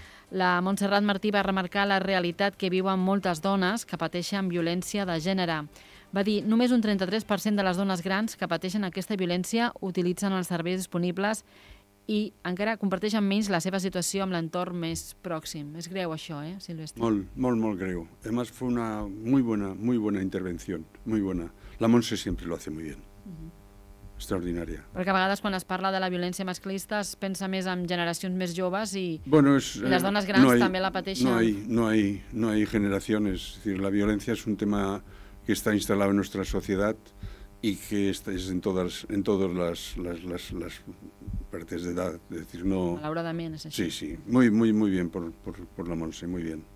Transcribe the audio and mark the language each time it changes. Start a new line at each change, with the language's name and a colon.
Catalan: La Montserrat Martí va remarcar la realitat que viuen moltes dones que pateixen violència de gènere. Va dir, només un 33% de les dones grans que pateixen aquesta violència utilitzen els serveis disponibles i encara comparteixen menys la seva situació amb l'entorn més pròxim. És greu això, Silvestre? Molt, molt, molt greu.
Spanish: Además, fue una muy buena intervención, muy buena. La Montse siempre lo hace muy bien.
Catalan: Extraordinària. Perquè a vegades quan es parla de la violència masclista es pensa més en generacions més joves i, bueno, i les dones grans també la pateixen.
Spanish: No hay generaciones. Es decir,
Catalan: la violència és un tema que està instal·lat en la nostra societat i que és en totes les partes d'edat. No... Malauradament és així. Sí, sí.
Spanish: Muy bien por la Montse, muy bien.